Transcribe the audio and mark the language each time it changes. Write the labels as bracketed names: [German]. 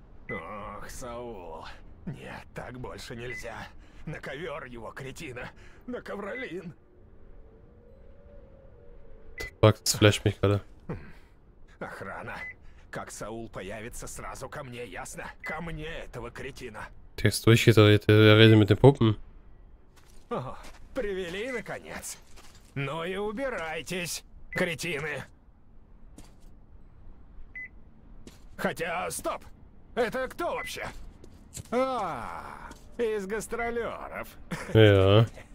[Russian] Ох, Саул. Нет, так больше нельзя. На ковер его, кретина. На ковролин. Так, сфлеш мне когда. Охрана. К Как Саул появится, сразу ко мне, ясно? Ко мне, этого кретина. Ты их [German] durchgedreht, wir reden mit den Puppen. [Russian] О, привели, наконец. Ну и убирайтесь, кретины. Хотя, стоп. Это кто вообще? А, из гастролёров. [German] Ja.